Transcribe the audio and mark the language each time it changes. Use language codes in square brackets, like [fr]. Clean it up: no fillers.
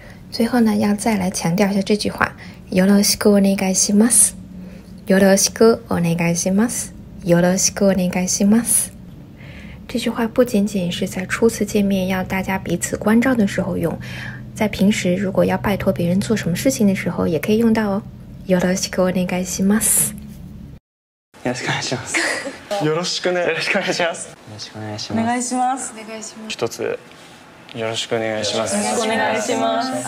[zh] 最后呢，要再来强调一下这句话。 [ja] よろしくお願いします。よろしくお願いします。よろしくお願いします。 [zh] 这句话不仅仅是在初次见面要大家彼此关照的时候用，在平时如果要拜托别人做什么事情的时候也可以用到哦。 [ja] よろしくお願いします。よろしくお願いします。よろしくね。よろしくお願いします。よろしくお願いします。お願いします。お願いします。一つよろしくお願いします。よろしくお願いします。